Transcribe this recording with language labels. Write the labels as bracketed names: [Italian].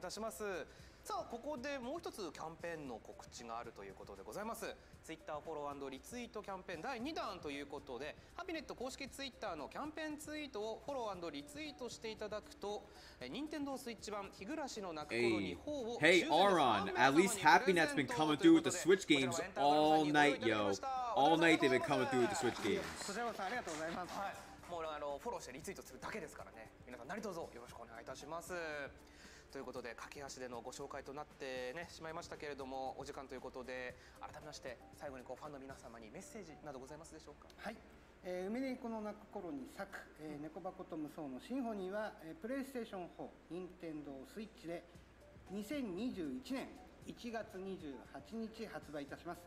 [Japanese] Oh, さあ、ここでもう一つキャンペーンの告知があるということでございます。ツイッターフォロー&リツイートキャンペーン第2弾ということで、ハピネット公式ツイッターのキャンペーンツイートをフォロー&リツイートしていただくと、任天堂スイッチ版日暮らしの泣く頃に頬を [English] Hey, Aron, at least Happinet's been coming through with the Switch games all night, yo. All night they've been coming through with the Switch games. [Japanese] こちらさん、ありがとうございます。はい、もうフォローしてリツイートするだけですからね。皆さん、何卒よろしくお願いいたします。ということで、駆け足でのご紹介となって、ね、しまいましたけれども、お時間ということで、改めまして最後にこうファンの皆様にメッセージなどございますでしょうか。はい、梅猫の泣く頃に咲く、猫箱と無双のシンフォニーは、プレイステーション4、ニンテンドースイッチで2021年1月28日発売いたします。